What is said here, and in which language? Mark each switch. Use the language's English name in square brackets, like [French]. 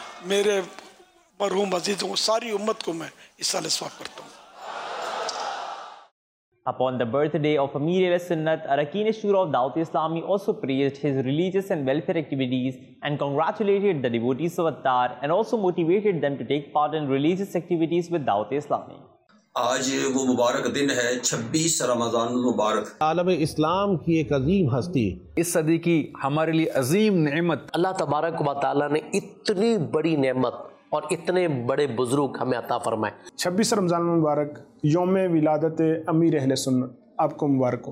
[Urdu] میرے مرحوم عزیزوں ساری امت کو میں اس سال سواب کرتا ہوں [English] Upon the birthday of Amir Ahle Sunnat, Arakeen Ashura of Dawati Islami also praised his religious and welfare activities and congratulated the devotees of Attar and also motivated them to take part in religious activities with Dawati Islami. [Urdu] آج وہ مبارک دن ہے 26 رمضان مبارک عالم اسلام کی ایک عظیم ہستی اس صدی کی ہمارے لیے عظیم نعمت اللہ تبارک و تعالی نے اتنی بڑی نعمت اور اتنے بڑے بزرگ ہمیں عطا فرمائے 26 رمضان مبارک یوم ولادت امیر اہل سنت آپ کو مبارک ہو